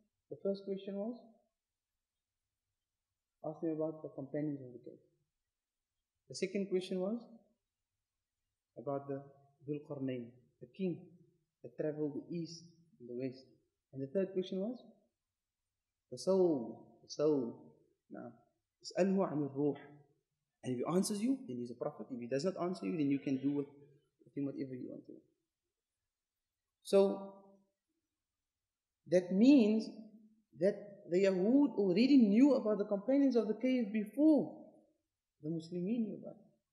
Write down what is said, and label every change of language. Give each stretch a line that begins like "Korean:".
English: The first question was asking about the companions of the cave. The second question was about the Dhulqarnain, the king. That travel the east and the west. And the third question was the soul. Now,
Arabic: اسأله عن الروح.
English: And if he answers you, then he's a prophet. If he does not answer you, then you can do with him whatever you want to. So that means that the Yahud already knew about the companions of the cave before the Muslimin knew about it.